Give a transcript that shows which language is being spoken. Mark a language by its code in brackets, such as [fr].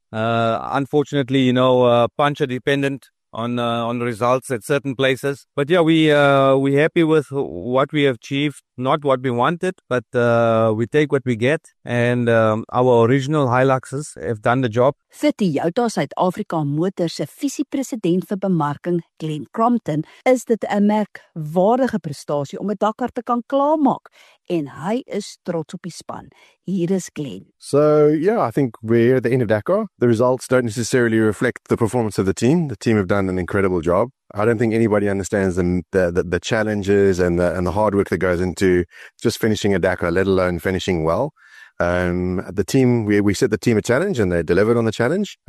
[en] Unfortunately, you know, puncher dependent on results at certain places. But yeah, we're happy with what we have achieved, not what we wanted, but we take what we get, and our original Hiluxes have done the job. [af] Vir Toyota Suid-Afrika Motors se visie-president vir bemarking, Glenn Crompton, is dit 'n merkwaardige prestasie om 'n Dakar te kan klaarmaak, en hy is trots op die span. Hier is Glenn. [en] So, yeah, I think we're at the end of Dakar. The results don't necessarily reflect the performance of the team. The team have done an incredible job. I don't think anybody understands the challenges and the hard work that goes into just finishing a Dakar, let alone finishing well. The team, we set the team a challenge and they delivered on the challenge.